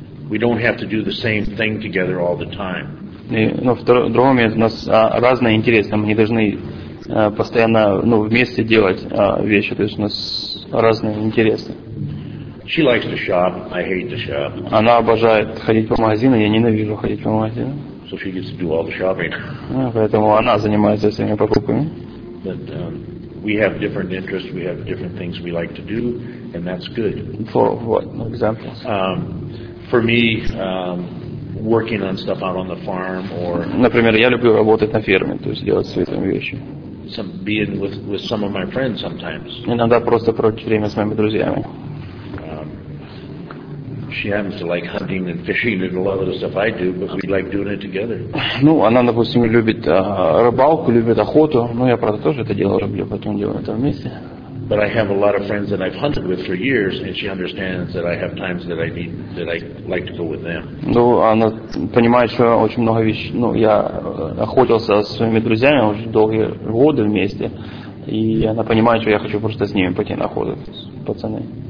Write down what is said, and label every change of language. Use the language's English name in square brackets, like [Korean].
[English] We don't have to do the same thing together all the time. [Russian] Но в другом месте у нас разные интересы. Мы не должны постоянно вместе делать вещи. То есть у нас разные интересы. [English] She likes to shop. I hate to shop. [Russian] Она обожает ходить по магазинам, я ненавижу ходить по магазинам. [English] So she gets to do all the shopping. [Russian] Поэтому она занимается всеми покупками. [English] But we have different interests. We have different things we like to do, and that's good. For what examples? For me, working on stuff out on the farm, or. [Russian] Например, я люблю работать на ферме, то есть делать свои там вещи. [English] Some being with some of my friends sometimes. [Russian] Иногда просто проводить время с моими друзьями. [English] She happens to like hunting and fishing and a lot of the stuff I do, but we like doing it together. [Russian] Она, допустим, любит рыбалку, любит охоту. Я, правда, тоже это дело люблю, поэтому делаем это вместе. [English] But I have a lot of friends that I've hunted with for years, and she understands that I have times that I need that I like to go with them. [Russian] Она понимает, что очень много вещей. Я охотился со своими друзьями уже долгие годы вместе, и она понимает, что я хочу просто с ними пойти на охоту, пацаны.